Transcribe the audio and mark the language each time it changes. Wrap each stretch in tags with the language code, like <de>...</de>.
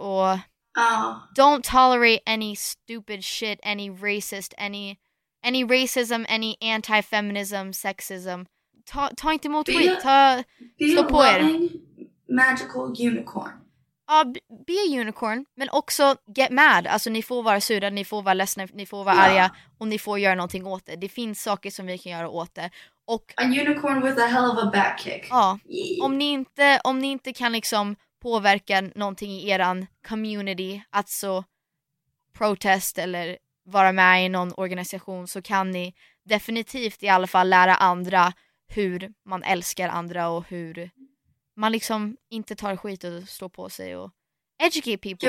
<sv>Och</sv> <en>don't tolerate any stupid shit, any racist, any racism, any anti-feminism, sexism.</en> <sv>Ta inte emot skit. Slå på er.</sv> <en>Magical unicorn.</en> <sv>Ja,</sv> <en>be a unicorn.</en> <sv>Men också</sv> <en>get mad.</en> <sv>Alltså ni får vara sura, ni får vara ledsna, ni får vara arga. Och ni får göra någonting åt det. Det finns saker som vi kan göra åt det. Och,</sv> <en>a unicorn with a hell of a back kick.</en> <sv>Ja, om ni inte kan liksom påverka någonting i eran community, alltså protest eller vara med i någon organisation, så kan ni definitivt i alla fall lära andra hur man älskar andra och hur man liksom inte tar skit och står på sig och</sv> <en>educate people.</en>